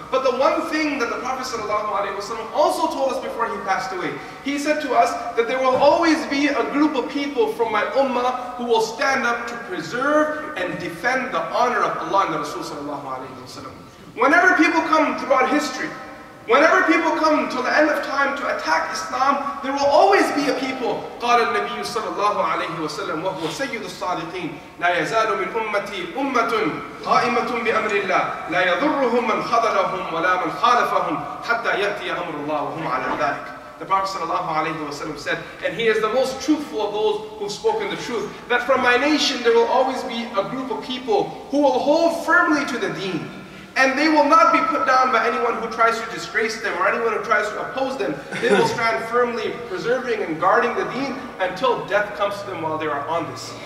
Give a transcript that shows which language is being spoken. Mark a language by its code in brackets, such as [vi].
[en] But the one thing that the Prophet sallallahu alayhi wa sallam also told us before he passed away, he said to us that there will always be a group of people from my ummah who will stand up to preserve and defend the honor of Allah and the Rasul sallallahu alayhi wa sallam. Whenever people come throughout history, whenever people come to the end of time to attack Islam, there will always be a people. [ar] قال النبي صلى الله عليه وسلم وهو سيد الصادقين لا يزال من أمتي أمة قائمة بأمر الله لا يضرهم من خذلهم ولا من خالفهم حتى يأتي أمر الله وهم على ذلك. [en] The Prophet sallallahu alayhi wa sallam said, and he is the most truthful of those who've spoken the truth, that from my nation there will always be a group of people who will hold firmly to the deen. And they will not be put down by anyone who tries to disgrace them or anyone who tries to oppose them. They will stand firmly preserving and guarding the deen until death comes to them while they are on this.